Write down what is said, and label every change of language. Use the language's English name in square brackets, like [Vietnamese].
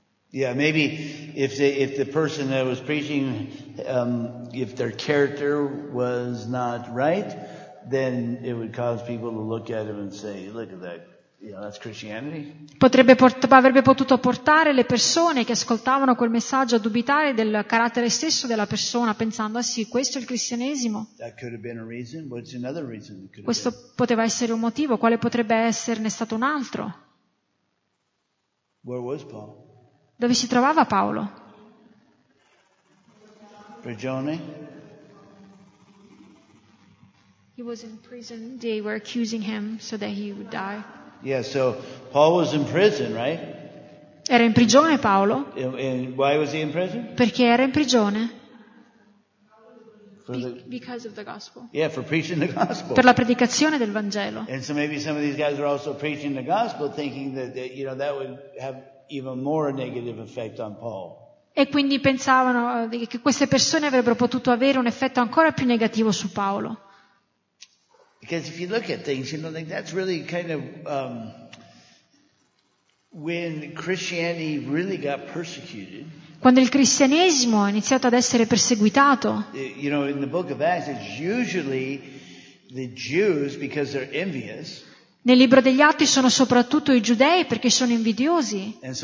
[English] Yeah, maybe if the person that was preaching, if their character was not right, then it would cause people to look at him and say, look at that, you know, that's Christianity. [Italian] Potrebbe avrebbe potuto portare le persone che ascoltavano quel messaggio a dubitare del carattere stesso della persona, pensando, ah sì, questo è il cristianesimo. [English] That could have been a reason. What's another reason? [Italian] Questo poteva essere un motivo. Quale potrebbe esserne stato un altro? [English] Where was Paul? [Italian] Dove si trovava Paolo? Prigione. [English] He was in prison. They were accusing him so that he would die. Yeah, so Paul was in prison, right? [Italian] Era in prigione Paolo. [English] And why was he in prison? [Italian] Perché era in prigione. [English] Because of the gospel. Yeah, for preaching the gospel. [Italian] Per la predicazione del Vangelo. [English] And so maybe some of these guys were also preaching the gospel, thinking that you know that would have even more negative effect on Paul. [Italian] E quindi pensavano che queste persone avrebbero potuto avere un effetto ancora più negativo su Paolo. [English] Because if you look at things, you know, like that's really kind of when Christianity really got persecuted. [Italian] Quando il cristianesimo ha iniziato ad essere perseguitato. [English] You know, in the book of Acts, it's usually the Jews because they're envious. [Italian] Nel libro degli Atti sono soprattutto i giudei perché sono invidiosi.